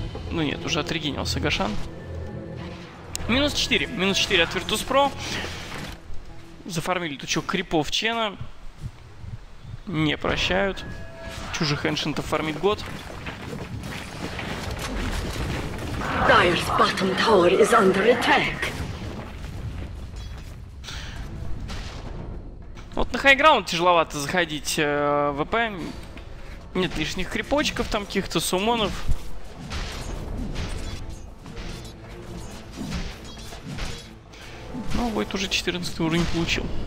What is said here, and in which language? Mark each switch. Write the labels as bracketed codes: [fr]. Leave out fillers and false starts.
[ru] Ну нет, уже отрегинился Гошан. Минус 4. Минус 4 от Virtus.pro. Зафармили тучок крипов Чена. Не прощают. Чужих эншентов фармит год. [en] Dire's bottom tower is under attack. [ru] Вот на хайграунд тяжеловато заходить ВП. Нет лишних крипочков, там каких-то сумонов. Инвойт уже 14 уровень получил.